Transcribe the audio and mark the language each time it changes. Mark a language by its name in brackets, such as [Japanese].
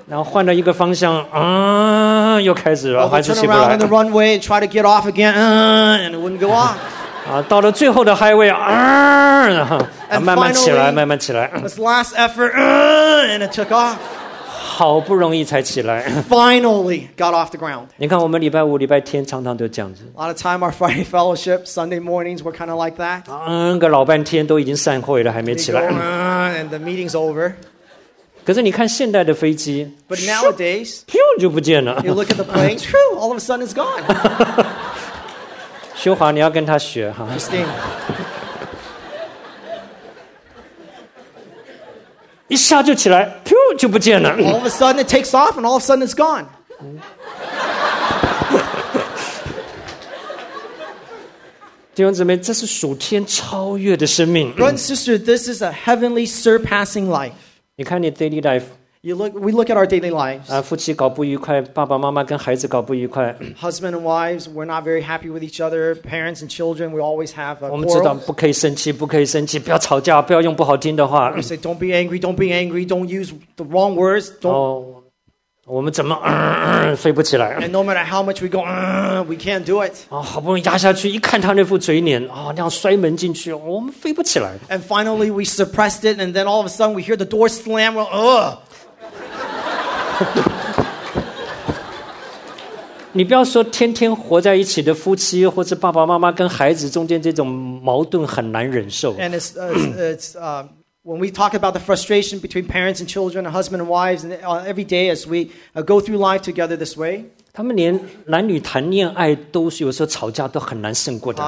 [Chinese] 然后换了一个方向、啊、又开始了、 [English] well, [Chinese] 还是起不来。 [English] Turn around on the runway and try to get off again,、啊、and it wouldn't go off. [Chinese] 到了最后的 highway、慢慢起来慢慢起来 [English] this last effort、and it took off [Chinese] 好不容易才起来 [English] finally got off the ground [Chinese] 你看我们礼拜五礼拜天常常都这样子 [English] a lot of time our Friday fellowship Sunday mornings were kind of like that [Chinese] 个老半天都已经散会了还没起来 [English] go,、and the meeting's over [Chinese] 可是你看现代的飞机 [English] but nowadays [Chinese] 咻就不见了 [English] you look at the plane true, all of a sudden it's gone [Chinese] 修华你要跟他学 [English] Christine [Chinese] 一下就起来噗就不见了 [English] All of a sudden it takes off and all of a sudden it's gone [Chinese] 弟兄姊妹这是属天超越的生命 [English] Brother and sister this is a heavenly surpassing life [Chinese] 你看你 [English] daily life We look at our daily lives. [Chinese] 夫妻搞不愉快，爸爸妈妈跟孩子搞不愉快。 [English] Husband and wives, we're not very happy with each other. Parents and children, we always have a quarrel. [Chinese] 我们知道不可以生气，不可以生气，不要吵架，不要用不好听的话。 [English] We say, don't be angry, don't be angry, don't use the wrong words. [Chinese] 我们怎么、飞不起来 [English] ？And no matter how much we go,、we can't do it. [Chinese] 好不容易压下去，一看他那副嘴脸，那样摔门进去，我们飞不起来。 [English] And finally, we suppressed it, and then all of a sudden, we hear the door slam. [Chinese] 你不要说天天活在一起的夫妻或者爸爸妈妈跟孩子中间这种矛盾很难忍受 [English] And it's when we talk about the frustration between parents and children and husband and wives and every day as we go through life together this way [Chinese] 他们连男女谈恋爱都是有时候吵架都很难胜过的